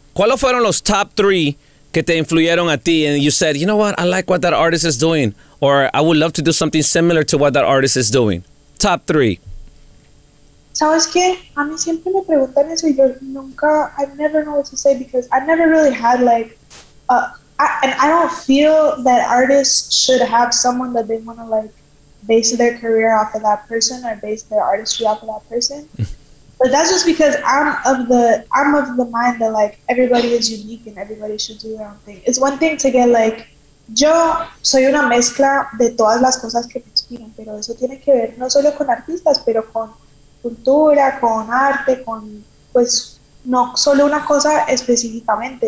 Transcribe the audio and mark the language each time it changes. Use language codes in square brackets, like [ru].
[es] ¿Cuáles fueron los [en] top three [es] que te influyeron a ti? [en] And you said, you know what? I like what that artist is doing. Or I would love to do something similar to what that artist is doing. Top three. [es] ¿Sabes qué? A mí siempre me preguntan eso y yo nunca, [en] I never know what to say, because I never really had like, I don't feel that artists should have someone that they want to like base their career off of that person, or base their artistry off of that person. But that's just because I'm of the mind that like everybody is unique and everybody should do their own thing. It's one thing to get like, [es] yo soy una mezcla de todas las cosas que me inspiran, pero eso tiene que ver no solo con artistas, pero con cultura, con arte, con pues no solo una cosa específicamente.